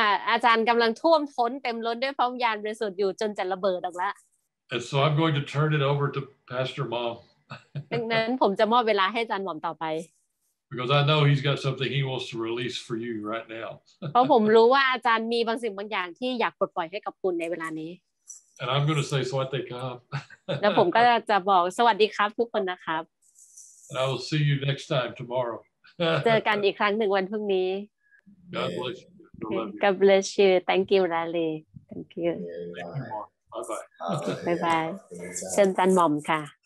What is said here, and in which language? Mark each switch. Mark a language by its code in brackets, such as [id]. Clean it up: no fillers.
[th] อาจารย์กำลังท่วมท้นเต็มล้นด้วยพระวิญญาณบริสุทธิ์อยู่จนจะระเบิดออกละ [en] And so I'm going to turn it over to Pastor Mom [th] ดังนั้นผมจะมอบเวลาให้อาจารย์หม่อมต่อไป [en] Because I know he's got something he wants to release for you right now [th] เพราะผมรู้ว่าอาจารย์มีบางสิ่งบางอย่างที่อยากปลดปล่อยให้กับคุณในเวลานี้ [en] And I'm going to say Swatekab. [th] แล้วผมก็จะบอกสวัสดีครับทุกคนนะครับ [en] And I will see you next time tomorrow. [th] เจอกันอีกครั้งหนึ่งวันพรุ่งนี้ [en] God bless you. God bless you. Thank you, Raleigh. Thank you. Thank you. Bye bye. Bye bye. [th] เชิญจันหม่อมค่ะ